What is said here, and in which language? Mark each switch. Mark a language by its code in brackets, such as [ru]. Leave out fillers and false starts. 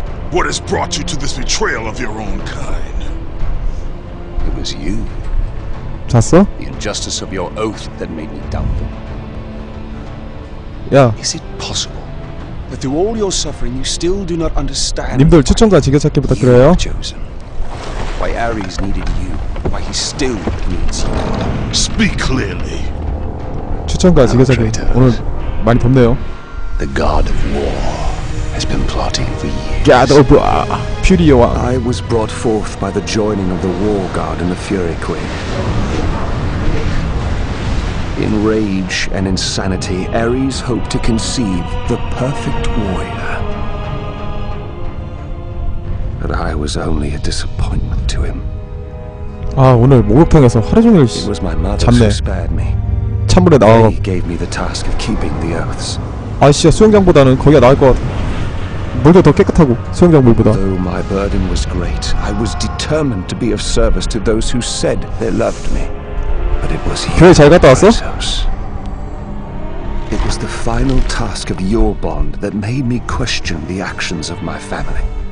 [en] What has brought you to this betrayal of your own kind? It was you. [ko] 잤어? [en] The injustice of your oath that made me doubtful. Yeah. Is it possible that through all your suffering you still do not understand? [ko] 님들 추천과 즐겨찾기 부탁드려요. [en] Chosen. Why Ares needed you? Why he still needs you? Speak clearly. [ko] 추천과 즐겨찾기 오늘 많이 덥네요. [en] The God of War. Has been plotting for years. I was brought forth by the joining of the War Guard and the Fury Queen. In rage and insanity, Ares hoped to conceive the perfect warrior. But I was only a disappointment to him. [ko] 아 오늘 목욕탕에서 하루 종일 잤네. 찬물에 나와가지고 아씨야 수영장보다는 거기가 나을 것 같아. 물도 더 깨끗하고 수영장 물보다. [en] Though my burden was great, I was determined to be of service to those who said they loved me. But it was here. [ko] 교회 잘 갔다 왔어? [en] It was the final task of your bond that made me question the actions of my family.